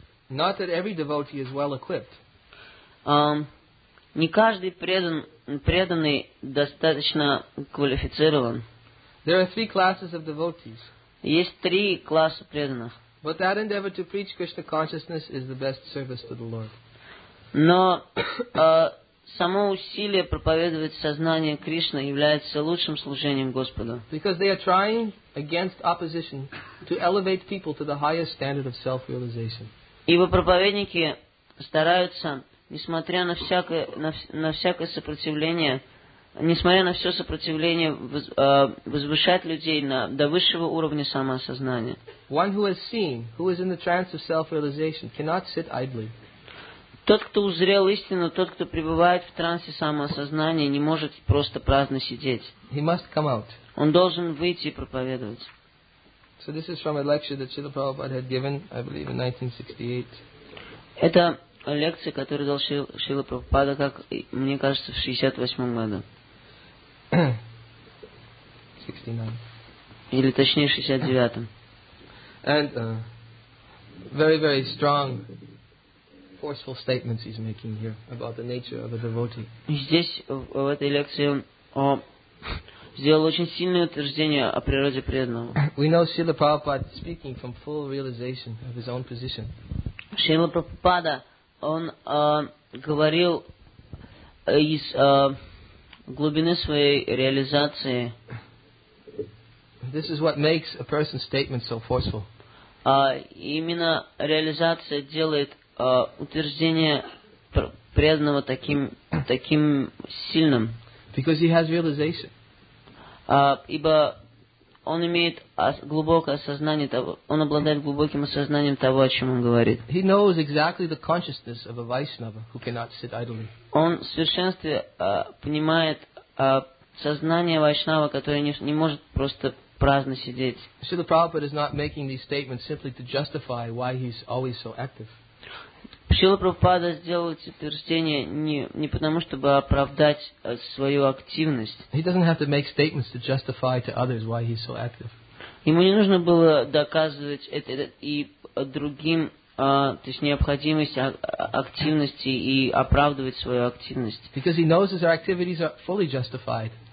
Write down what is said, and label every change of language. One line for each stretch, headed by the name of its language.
English: Not that every devotee is well equipped.
Russian: Не каждый преданный достаточно квалифицирован.
English: There are three classes of devotees.
Russian: Есть три класса преданных.
English: But that endeavor to preach Krishna consciousness is the best service to the Lord.
Russian: Но само усилие проповедовать сознание Кришны является лучшим служением Господу.
English: Because they are trying against opposition to elevate people to the highest standard of self-realization.
Russian: Ибо проповедники стараются, несмотря на всякое, на всякое сопротивление, несмотря на все сопротивление, возвышать людей до высшего уровня самоосознания.
English: One who has seen, who is in the trance of self-realization, cannot sit idly.
Russian: Тот, кто узрел истину, тот, кто пребывает в трансе самоосознания, не может просто праздно сидеть.
English: He must come out.
Russian: Он должен выйти и проповедовать.
English: So this is from a lecture that Srila Prabhupada had given, I believe, in 1968.
Russian: Это лекция, которую дал Шрила Прабхупада, как мне кажется, в 68-м году.
English: 69.
Russian: или точнее 69-м.
English: And very, very strong, forceful statements he's making here about the nature of a devotee.
Russian: Здесь в этой лекции он сделал очень сильное утверждение о природе преданного.
English: We know Srila Prabhupada speaking from full realization of his own position.
Russian: Srila Prabhupada, он говорил из глубины своей реализации.
English: This is what makes a person's statement so forceful.
Russian: Именно реализация делает утверждение преданного таким сильным.
English: Because he has realization.
Russian: Ибо он имеет глубокое осознание того, он обладает глубоким осознанием того, о чем он говорит.
English: He knows exactly the consciousness of a Vaishnava who cannot sit idly.
Russian: Он в совершенстве понимает сознание Вайшнава, который не может просто праздно сидеть.
English: Srila Prabhupada is not making these statements simply to justify why he's always so active.
Russian: Srila Prabhupada сделал эти утверждения не потому, чтобы оправдать свою активность.
English: He doesn't have to make statements to justify to others why he's so active.
Russian: Ему не нужно было доказывать это и другим, то есть необходимость активности и оправдывать свою активность.
English: Because he knows his activities are fully justified.